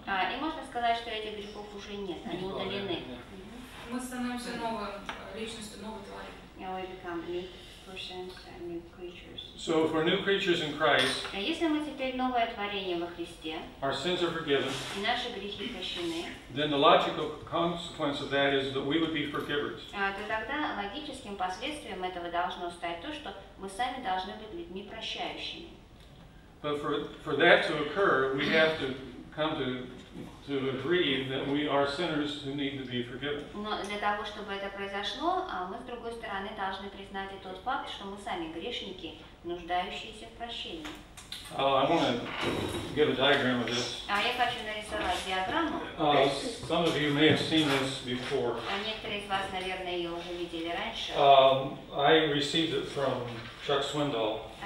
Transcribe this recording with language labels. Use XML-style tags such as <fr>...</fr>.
<ru>И можно сказать, что этих грехов уже нет, они удалены. Мы становимся новой личностью, новой тварью.</ru> <en>We become new persons and new creatures. So if we're new creatures in Christ,</en> <ru>если мы теперь новое творение во Христе,</ru> <en>our sins are forgiven,</en> <ru>и наши грехи прощены,</ru> <en>then the logical consequence of that is that we would be forgivers.</en> <ru>То тогда логическим последствием этого должно стать то, что мы сами должны быть людьми прощающими.</ru> <en>But for that to occur, we have to come to agree that we are sinners who need to be forgiven.</en> <ru>Но для того, чтобы это произошло, мы с другой стороны должны признать и тот факт, что мы сами грешники, нуждающиеся в прощении.</ru> <en>I want to give a diagram of this.</en> <ru>Я хочу нарисовать диаграмму.</ru> <en>Some of you may have seen this before.</en> <ru>Некоторые из вас, наверное, ее уже видели раньше.</ru> <en>I received it from Chuck Swindoll.</en>